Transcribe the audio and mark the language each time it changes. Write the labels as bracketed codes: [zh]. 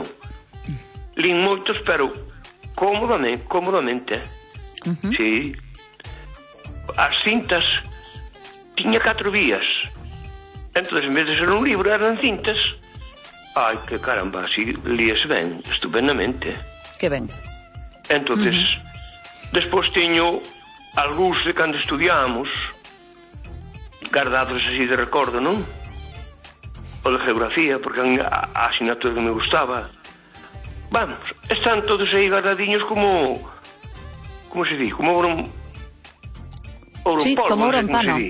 [gl] Uh-huh. Lin moitos, pero cómodamente. Uh-huh. Sí. As cintas, tenía 4 vías. [es] Entonces, en vez de ser un libro, eran cintas. [gl] Ay, que caramba, sí, líes ben, estupendamente. Qué ben. Entonces, despois tiño algúns de cando estudiamos, guardados así de recordo, non? O de geografía, porque a asignatura que me gustaba. Vamos, están todos aí guardadiños como... Como se di? Como ouro en pano. Sí, como ouro en pano.